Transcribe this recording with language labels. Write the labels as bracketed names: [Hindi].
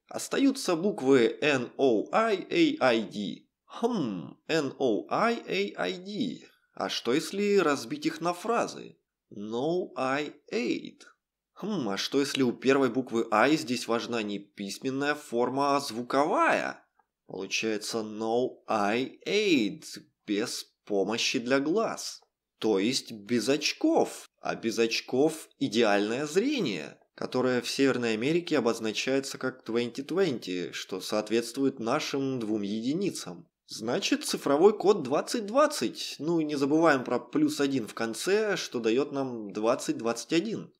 [Russian] Остаются буквы N-O-I-A-I-D. N-O-I-A-I-D. А что если разбить их на фразы? [English] No, I ate. [Russian] А что если у первой буквы I здесь важна не письменная форма, а звуковая? Получается [English] no, I ate. [Russian] Без помощи для глаз. То есть без очков. А без очков идеальное зрение, которое в Северной Америке обозначается как 20-20, что соответствует нашим двум единицам. Значит, цифровой код 20-20. Ну и не забываем про плюс 1 в конце, что дает нам 20-21.